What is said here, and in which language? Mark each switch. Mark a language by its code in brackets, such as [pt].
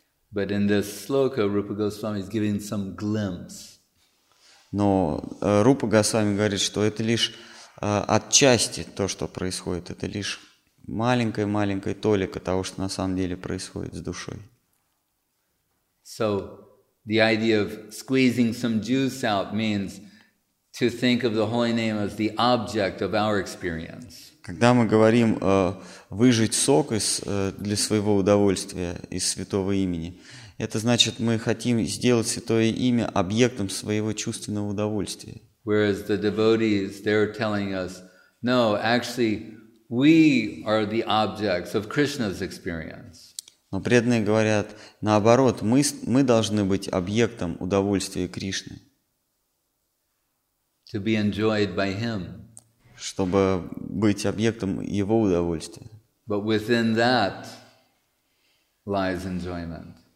[en] But in this sloka, Rupa Goswami is giving some glimpse. [ru] Но Рупа Госвами говорит, что это лишь отчасти то, что происходит. Это лишь маленькая-маленькая толика того, что на самом деле происходит с душой. [en] So, the idea of squeezing some juice out means to think of the holy name as the object of our experience. [ru] Когда мы говорим выжать сок из для своего удовольствия из святого имени, это значит, мы хотим сделать святое имя объектом своего чувственного удовольствия. [en] Whereas the devotees, they're telling us, no, actually, we are the objects of Krishna's experience. [ru] Но преданные говорят, наоборот, мы должны быть объектом удовольствия Кришны. [en] To be enjoyed by him. [ru] Чтобы быть объектом его удовольствия. [en] But within that lies enjoyment.